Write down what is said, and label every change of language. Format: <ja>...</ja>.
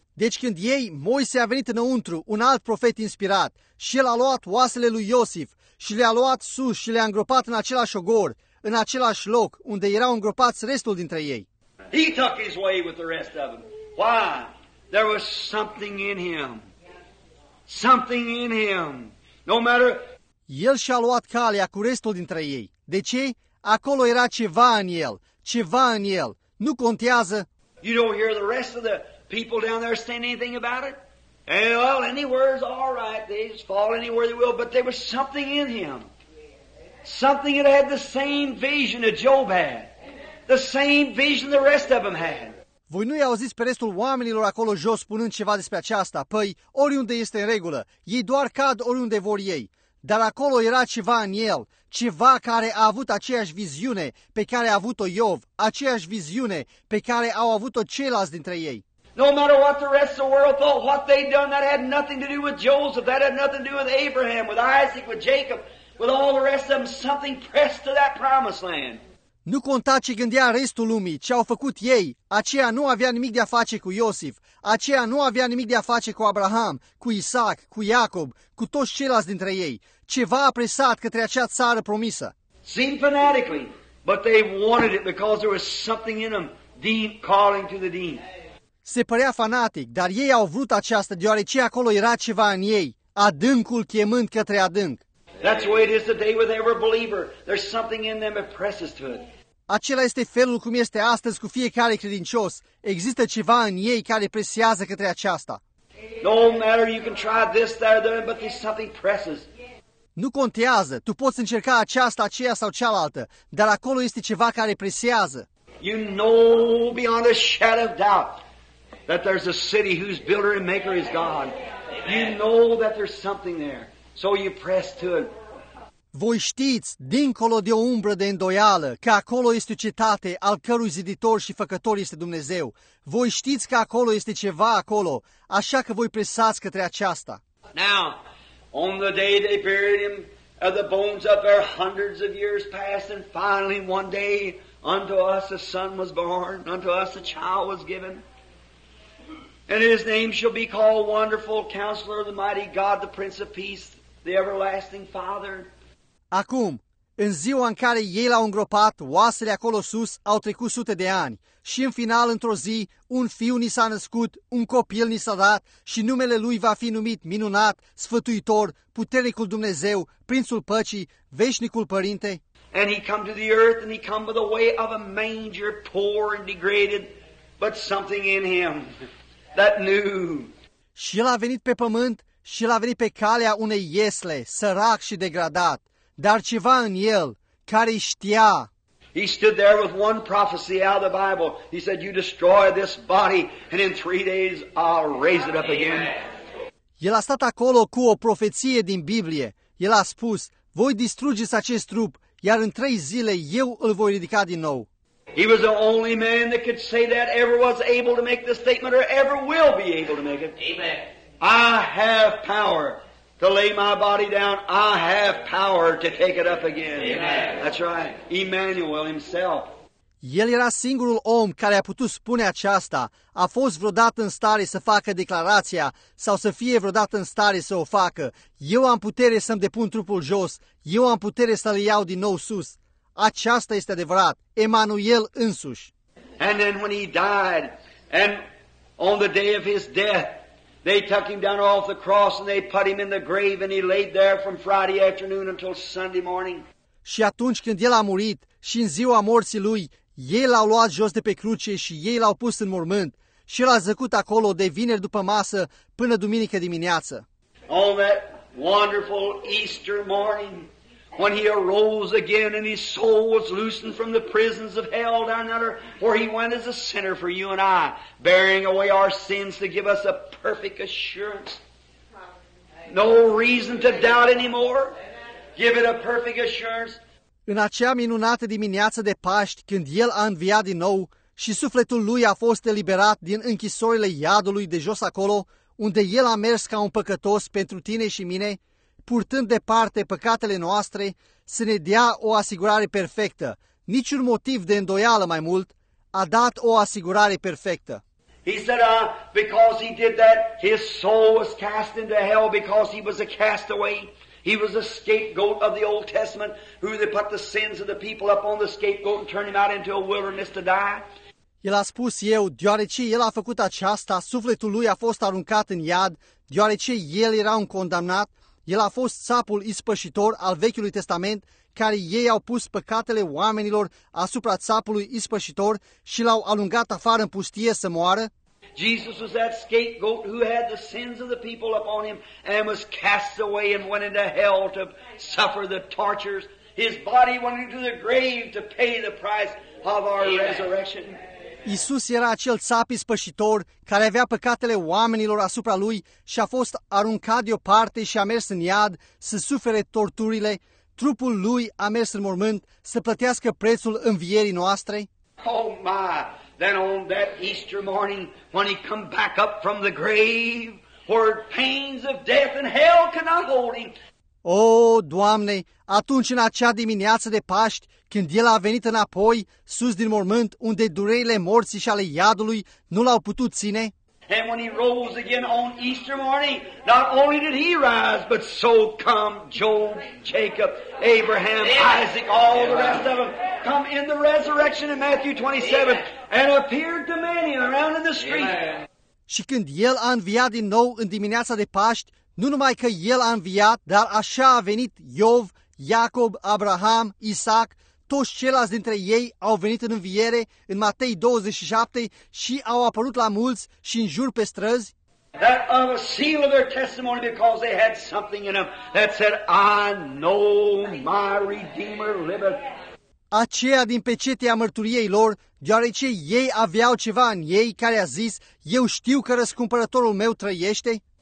<ro>Deci când ei, Moise a venit înăuntru, un alt profet inspirat, și el a luat oasele lui Iosif și le-a luat sus și le-a îngropat în același ogor, în același loc unde erau îngropați restul dintre ei.</ro> <en>He took his way with the rest of them. Why? There was something in him. Something in him. No matter.</en> <ro>El și-a luat calea cu restul dintre ei. De ce? Acolo era ceva în el. Ceva în el. Nu contează.</ro> <en>You don't hear the rest of the people down there saying anything about it? Well, any words, all right. They just fall anywhere they will. But there was something in him. Something that had the same vision that Job had. The same vision the rest of them had.</en> <ro>Voi nu i-auziți pe restul oamenilor acolo jos spunând ceva despre aceasta. Păi, oriunde este în regulă. Ei doar cad oriunde vor ei. Dar acolo era ceva în el. Ceva care a avut aceeași viziune pe care a avut-o Iov. Aceeași viziune pe care au avut-o ceilalți dintre ei.</ro> <en>No matter what the rest of the world thought, what they'd done, that had nothing to do with Joseph. That had nothing to do with Abraham, with Isaac, with Jacob. With all the rest of them, something pressed to that promised land.</en> <ro>Nu conta ce gândea restul lumii, ce au făcut ei. Aceea nu avea nimic de a face cu Iosif. Aceea nu avea nimic de a face cu Abraham, cu Isaac, cu Iacob, cu toți ceilalți dintre ei. Ceva a presat către acea țară promisă.</ro> <en>Seemed fanatically, but they wanted it because there was something in them, deep calling to the deep.</en> <ro>Se părea fanatic, dar ei au vrut aceasta deoarece acolo era ceva în ei, adâncul chemând către adânc.</ro> <en>That's the way it is today with every believer. There's something in them that presses to it.</en> <ro>Acela este felul cum este astăzi cu fiecare credincios. Există ceva în ei care presează către aceasta.</ro> <en>No matter, you can try this, that, or that, but there's something presses.</en> <ro>Nu contează, tu poți încerca aceasta, aceea sau cealaltă, dar acolo este ceva care presează.</ro> <en>You know beyond a shadow of doubt that there's a city whose builder and maker is God. You know that there's something there, so you press to it.</en> <ro>Voi știți, dincolo de o umbră de îndoială, că acolo este o cetate al cărui ziditor și făcător este Dumnezeu. Voi știți că acolo este ceva acolo, așa că voi presați către aceasta.</ro> <en>Now, on the day they buried him, the bones up there hundreds of years passed, and finally one day unto us a son was born, unto us a child was given. And his name shall be called Wonderful Counselor, the Mighty God, the Prince of Peace, the Everlasting Father.</en> <ro>Acum, în ziua în care ei l-au îngropat, oasele acolo sus au trecut sute de ani și în final, într-o zi, un fiu ni s-a născut, un copil ni s-a dat și numele lui va fi numit Minunat, Sfătuitor, Puternicul Dumnezeu, Prințul Păcii, Veșnicul Părinte.</ro> <en>And he come to the earth and he come by the way of a manger, poor and degraded, but something in him that knew.</en> <ro>Și el a venit pe pământ și el a venit pe calea unei iesle, sărac și degradat. Dar ceva în el care știa.</ro> <en>He stood there with one prophecy out of the Bible. He said, "You destroy this body, and in three days I'll raise it up again."</en> <ro>El a stat acolo cu o profeție din Biblie. El a spus, "Voi distrugeți acest trup, iar în trei zile eu îl voi ridica din nou."</ro> <en>He was the only man that could say that, ever was able to make the statement, or ever will be able to make it. Amen. I have power to lay my body down, I have power to take it up again. Amen. That's right. Emmanuel himself.</en> <ro>El era singurul om care a putut spune aceasta. A fost vreodată în stare să facă declarația sau să fie vreodată în stare să o facă. Eu am putere să-mi depun trupul jos. Eu am putere să-l iau din nou sus. Aceasta este adevărat. Emmanuel însuși.</ro> <en>And then when he died, and on the day of his death, they took him down off the cross and they put him in the grave and he laid there from Friday afternoon until Sunday morning.</en> <ro>Și atunci când el a murit și în ziua morții lui, ei l-au luat jos de pe cruce și ei l-au pus în mormânt și el a zăcut acolo de vineri după masă până duminică dimineață.</ro> <en>On that wonderful Easter morning when he arose again and his soul was loosened from the prisons of hell down under, where he went as a sinner for you and I, bearing away our sins to give us a perfect assurance. No reason to doubt anymore. Give it a perfect assurance.</en> <ro>În acea minunată dimineață de Paști, când el a înviat din nou și sufletul lui a fost eliberat din închisorile iadului de jos acolo, unde el a mers ca un păcătos pentru tine și mine, purtând departe păcatele noastre, să ne dea o asigurare perfectă, niciun motiv de îndoială mai mult, a dat o asigurare perfectă.</ro> <en>He said, because he did that, his soul was cast into hell because he was a castaway. He was a scapegoat of the Old Testament, who they put the sins of the people up on the scapegoat and turned him out into a wilderness to die.</en> <ro>El a spus eu, deoarece el a făcut aceasta, sufletul lui a fost aruncat în iad, deoarece el era un condamnat. El a fost țapul ispășitor al Vechiului Testament, care ei au pus păcatele oamenilor asupra țapului ispășitor și l-au alungat afară în pustie să moară.</ro> <en>Jesus was that scapegoat who had the sins of the people upon him and was cast away and went into hell to suffer the tortures. His body went into the grave to pay the price of our resurrection.</en> <ro>Iisus era acel țap ispășitor care avea păcatele oamenilor asupra lui și a fost aruncat deoparte și a mers în iad să sufere torturile. Trupul lui a mers în mormânt să plătească prețul învierii noastre.</ro> <en>Oh my, then on that Easter morning when he come back up from the grave where pains of death and hell cannot hold him.</en> <ro>Oh, Doamne, atunci în acea dimineață de Paști, când el a venit înapoi, sus din mormânt, unde durerile morții și ale iadului nu l-au putut ține.</ro> <en>And when he rose again on Easter morning, not only did he rise, but so come Job, Jacob, Abraham, Isaac, all the rest of them, come in the resurrection in Matthew 27, and appeared to many around in the street.</en> <ro>Și când el a înviat din nou în dimineața de Paști, nu numai că el a înviat, dar așa a venit Iov, Iacob, Abraham, Isaac, toți ceilalți dintre ei au venit în înviere în Matei 27 și au apărut la mulți și în jur pe străzi.</ro> <en>that of a seal of their testimony, because they had something in them that said, I know my Redeemer liveth.</en> <ro>Aceea din pecetea mărturiei lor, deoarece ei aveau ceva în ei care a zis, eu știu că răscumpărătorul meu trăiește.</ro>